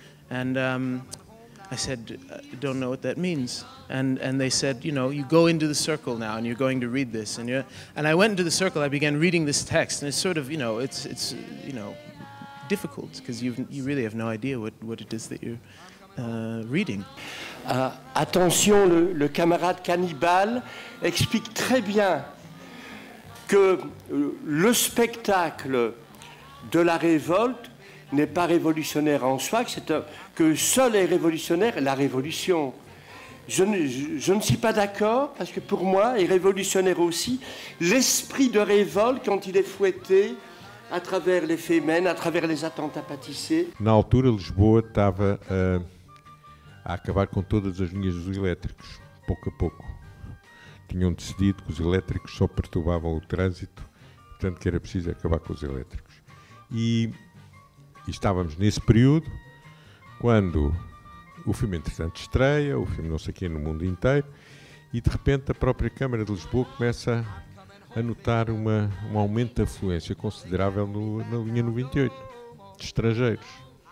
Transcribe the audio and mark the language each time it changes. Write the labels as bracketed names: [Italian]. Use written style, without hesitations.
[English] And I said, I don't know what that means. And they said, you know, you go into the circle now, and you're going to read this. And I went into the circle. I began reading this text, and it's sort of, you know, it's you know, difficult because you really have no idea what it is that you're reading. [French] Attention, le camarade cannibale explique très bien que le spectacle de la révolte n'est pas révolutionnaire en soi, que seule est révolutionnaire la révolution. Je ne suis pas d'accord, parce que pour moi, est révolutionnaire aussi l'esprit de révolte quand il est fouetté à travers les fémènes, à travers les attentats pâtissés. [Portuguese] Na altura, Lisboa estava a acabar com todas as linhas dos elétricos, pouco a pouco. Tinham decidido que os elétricos só perturbavam o trânsito, tanto que era preciso acabar com os elétricos. E estávamos nesse período, quando o filme, entretanto, estreia, o filme não sei quem no mundo inteiro, e de repente a própria Câmara de Lisboa começa a notar um aumento de afluência considerável na linha 98, de estrangeiros.